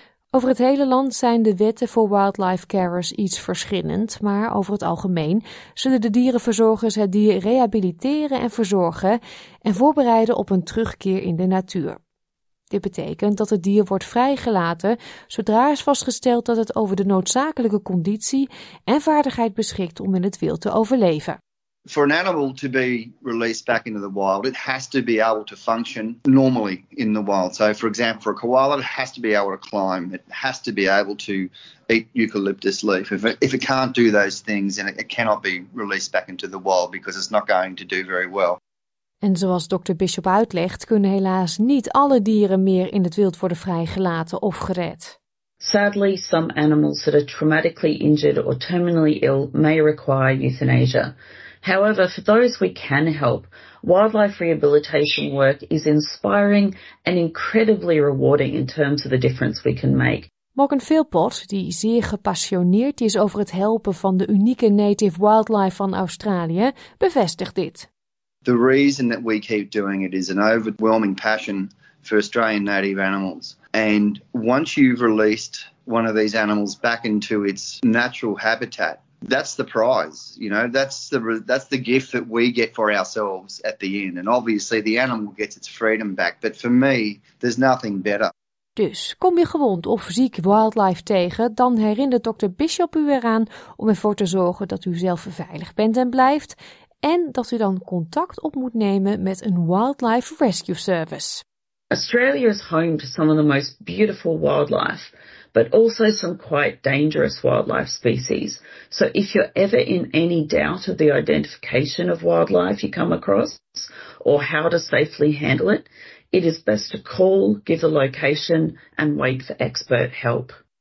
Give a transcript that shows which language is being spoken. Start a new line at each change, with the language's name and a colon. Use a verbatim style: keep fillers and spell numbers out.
Dutch: Over het hele land zijn de wetten voor wildlife carers iets verschillend, maar over het algemeen zullen de dierenverzorgers het dier rehabiliteren en verzorgen en voorbereiden op een terugkeer in de natuur. Dit betekent dat het dier wordt vrijgelaten zodra is vastgesteld dat het over de noodzakelijke conditie en vaardigheid beschikt om in het wild te overleven.
English: For an animal to be released back into the wild, it has to be able to function normally in the wild. So, for example, for a koala, it has to be able to climb. It has to be able to eat eucalyptus leaf. If it, if it can't do those things, then it cannot be released back into the wild because it's not going to do very well.
Dutch: En zoals dokter Bishop uitlegt, kunnen helaas niet alle dieren meer in het wild worden vrijgelaten of gered.
English: Sadly, some animals that are traumatically injured or terminally ill may require euthanasia. However, for those we can help, wildlife rehabilitation work is inspiring and incredibly rewarding in terms of the difference we can make.
Dutch: Morgan Philpott, die zeer gepassioneerd is over het helpen van de unieke
English: native wildlife
Dutch: van Australië, bevestigt dit.
English: The reason that we keep doing it is an overwhelming passion for Australian native animals. And once you've released one of these animals back into its natural habitat, that's the prize, you know, that's the that's the gift that we get for ourselves at the end. And obviously the animal gets its freedom back. But for me, there's nothing better.
Dutch: Dus kom je gewond of ziek wildlife tegen, dan herinnert dokter Bishop u eraan om ervoor te zorgen dat u zelf veilig bent en blijft. En dat u dan contact op moet nemen met een wildlife rescue service.
English: Australia is home to some of the most beautiful wildlife, but also some quite dangerous wildlife species. So if you're ever in any doubt of the identification of wildlife you come across or how to safely handle it, it is best to call, give a location, and wait for expert help.